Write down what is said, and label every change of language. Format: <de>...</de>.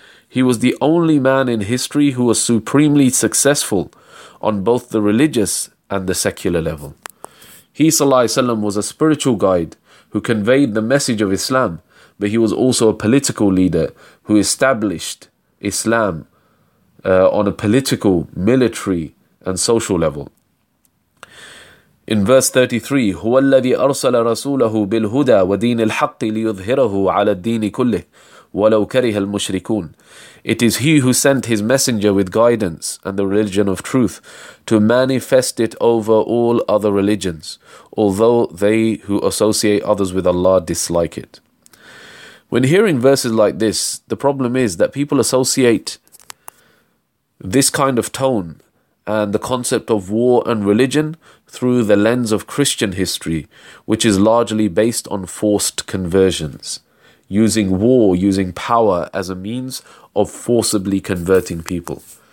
<en>He was the only man in history who was supremely successful on both the religious and the secular level. He ﷺ was a spiritual guide who conveyed the message of Islam, but he was also a political leader who established Islam on a political, military and social level. In verse 33,</en> <ar>هو الذي أرسل رسوله بالهدى ودين الحق ليظهره على الدين كله ولو كره المشركون.</ar> <en>It is He who sent His messenger with guidance and the religion of truth to manifest it over all other religions, although they who associate others with Allah dislike it. When hearing verses like this, the problem is that people associate this kind of tone and the concept of war and religion through the lens of Christian history, which is largely based on forced conversions, using war, using power as a means of forcibly converting people.</en>